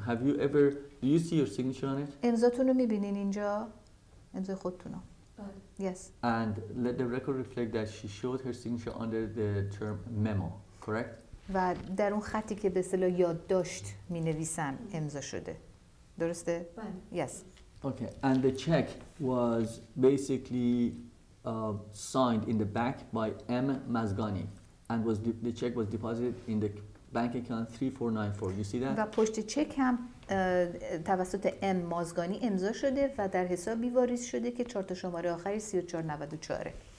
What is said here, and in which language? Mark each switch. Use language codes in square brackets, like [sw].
[en] Have you ever, do you see your signature on it? [fa] امضاتون رو میبینین اینجا؟ امضای خودتون رو. [en] Yes. And let the record reflect that she showed her signature under the term memo, correct? [fa] و در اون خطی که به اصطلاح یادداشت می نویسم امضا شده. درسته؟ بله. [en] Yes. Okay. And the check was basically signed in the back by M. Mazgani and was the check was deposited in the bank account 3494. You see that? [fa] و پشت چک هم توسط ام مازگانی امضا شده و در حسابی واریز شده که چهار تا شماره آخری 3494.